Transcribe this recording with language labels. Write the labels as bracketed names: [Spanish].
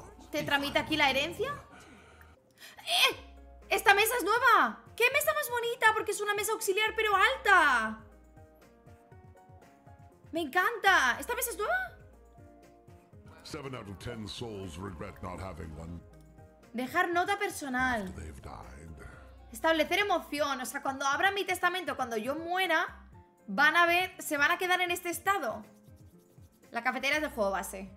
[Spanish] ¿Te tramita aquí la herencia? ¡Eh! ¡Esta mesa es nueva! ¡Qué mesa más bonita! Porque es una mesa auxiliar, pero alta. ¡Me encanta! ¿Esta mesa es nueva? [English] 7 out of 10 souls regret not having one. [Spanish] Dejar nota personal. Establecer emoción. O sea, cuando abran mi testamento, cuando yo muera, van a ver, se van a quedar en este estado. La cafetería es de juego base.